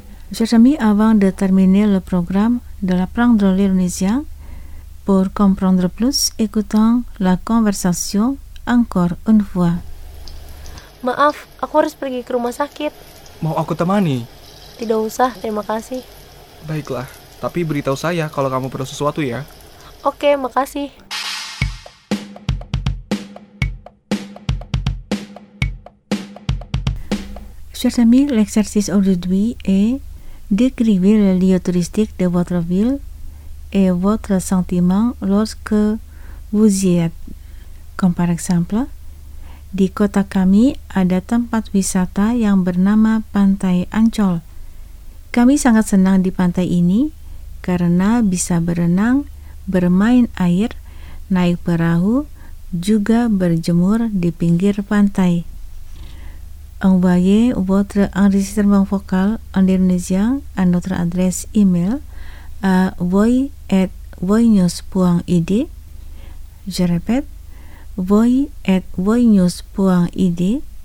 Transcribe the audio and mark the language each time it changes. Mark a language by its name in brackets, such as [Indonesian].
[French] Chers amis, avant de terminer le programme de l'apprendre l'indonésien, pour comprendre plus, écoutons la conversation encore une fois. [Indonesian] Maaf, aku harus pergi ke rumah sakit. Mau aku temani? Tidak usah, terima kasih. Baiklah, tapi beritahu saya kalau kamu perlu sesuatu ya. Oke, makasih. [French] Chers amis, l'exercice aujourd'hui est décrivez le lieu touristique de votre ville et votre sentiment lorsque vous y êtes. Comme par exemple, [Indonesian] di kota kami ada tempat wisata yang bernama Pantai Ancol. Kami sangat senang di pantai ini karena bisa berenang, bermain air, naik perahu, juga berjemur di pinggir pantai. [French] Envoyez votre enregistrement vocal en indonésien à notre adresse email à voi@voinews.id. Je répète, voi@voinews.id.